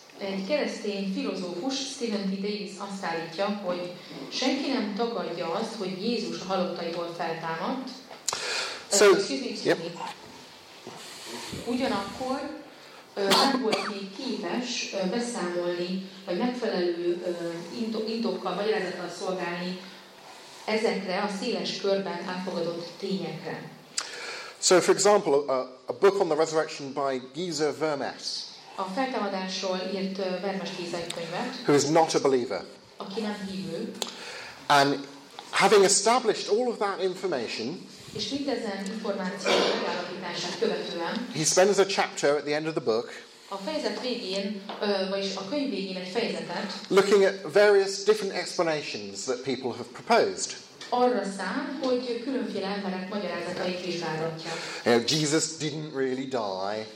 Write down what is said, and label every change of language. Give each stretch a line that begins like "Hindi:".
Hungarian: Egy keresztény filozófus, Stephen D. Davis azt állítja, hogy senki nem tagadja azt, hogy Jézus a halottaiból feltámadt.
English: So,
Hungarian: ugyanakkor nem volt még képes beszámolni, vagy megfelelő indokkal magyarázattal szolgálni ezekre a széles körben elfogadott tényekre.
English: So, for example, a book on the resurrection by Giza Vermes.
Hungarian: A feltámadásról írt Vermes Giza könyvet.
English: Who is not a believer.
Hungarian: Aki nem hívő.
English: And having established all of that information,
Hungarian: és mindezen információ megállapítását követően
English: he spends a chapter at the end of the book
Hungarian: a fejezet végén, vagyis a könyv végén egy fejezetet
English: looking at various different explanations that people have proposed.
Hungarian: Arra szám, hogy különféle emberek magyarázatait vizsgálatja.
English: You know, Jesus didn't really die.